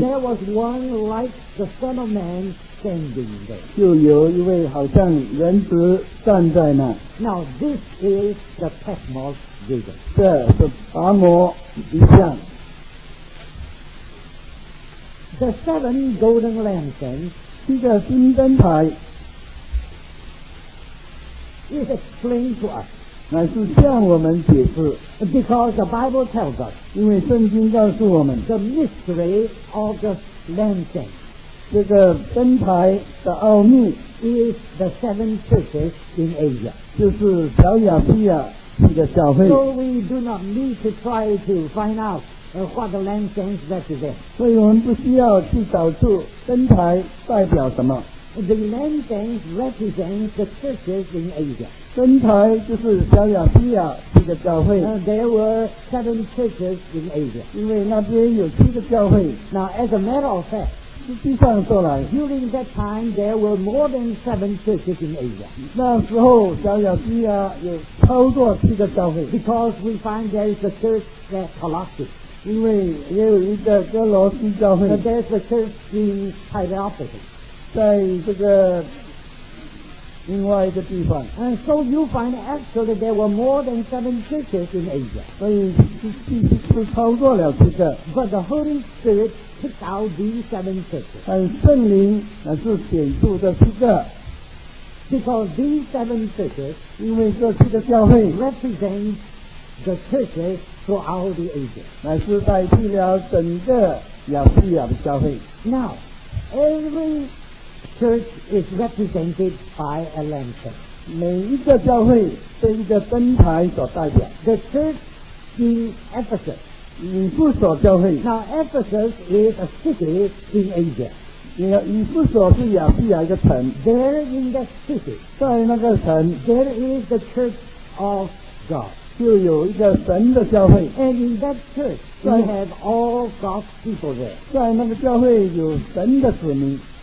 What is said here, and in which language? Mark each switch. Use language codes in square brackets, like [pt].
[en] ，there was one like the Son of Man。 Standing there， [zh] 就有一位好像人子站在那。 [en] Now this is the Patmos vision， [zh] 这是拔摩意象。 [en] The seven golden lampstands， [zh] 七个金灯台 [en] ，is explained to us， [zh] 乃是向我们解释。 [en] Because the Bible tells us， [zh] 因为圣经告诉我们 [en] ，the mystery of the lampstands。 [zh] 这个灯台的奥秘 [en] is the seven churches in Asia， [zh] 就是小亚细亚这个教会。 [en] So we do not need to try to find out what the lampstands represent， [zh] 所以我们不需要去找出灯台代表什么。 [en] The lanterns represent the churches in Asia. [zh] 灯台就是小亚细亚七个教会。 [en] There were seven churches in Asia. [zh] 因为那边有七个教会。 [en] Now, as a matter of fact, [zh] 实际上说来 [en] during that time, there were more than seven churches in Asia. [zh] 那时候小亚细亚有超过七个教会。 [en] Because we find there is a church at Colossae. [zh] 因为也有一个哥罗西教会。 [en] But there's a church in Hierapolis. [zh] 在这个另外一个地方。 [en] And so you find actually there were more than seven churches in Asia. [zh] 所以是超过了七个。 [en] But the Holy Spirit,picked out these seven churches. [zh] 但圣灵乃是选出这七个。 [en] Because these seven churches, [zh] 因为这七个教会 [en] represent the churches throughout the ages. [zh] 乃是代替了整个亚细亚的教会。 [en] Now, every church is represented by a lantern. [zh] 每一个教会被一个灯台所代表。 [en] The church in Ephesus. [zh] 以弗所教会。 [en] Now Ephesus is a city in Asia. [zh] 以弗所是亚细亚一个城。 [en] There in that city, [zh] 在那个城 [en] there is the church of God. [zh] 就有一个神的教会。 [en] And in that church, they have all God's people there. [zh] 在那个教会有神的子民。